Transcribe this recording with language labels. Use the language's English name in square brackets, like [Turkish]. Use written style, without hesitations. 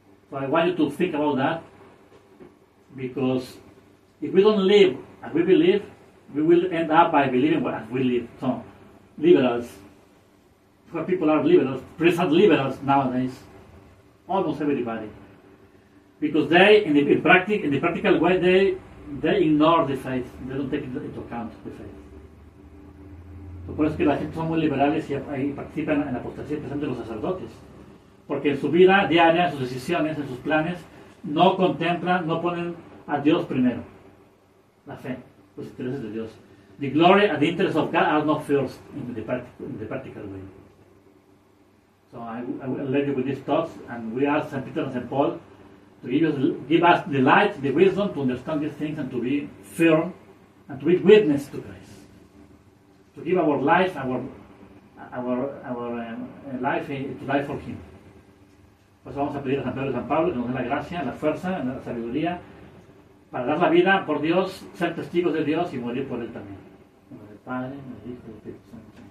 [English] So I want you to think about that, because if we don't live as we believe, we will end up by believing as we live. So, liberals. Where people are liberals, priests are liberals nowadays, almost everybody, because they, in the practical way, they ignore the faith, they don't take into account the faith. [Spanish] So, por eso que la gente son muy liberales y participan en la apostasía, especialmente los sacerdotes, porque en su vida diaria, en sus decisiones, en sus planes, no contemplan, no ponen a Dios primero, la fe, los intereses de Dios. [English] The glory and the interests of God are not first in the practical way. So I will leave you with these thoughts, and we ask St. Peter and St. Paul to give us the light, the wisdom to understand these things and to be firm and to be witness to Christ. to give our life, life to die for Him. [Spanish] Pues vamos a pedir a San Pedro y San Pablo que nos den la gracia, la fuerza, la sabiduría para dar la vida por Dios, ser testigos de Dios y morir por Él también. En nombre del Padre, en el Hijo y en el Espíritu Santo.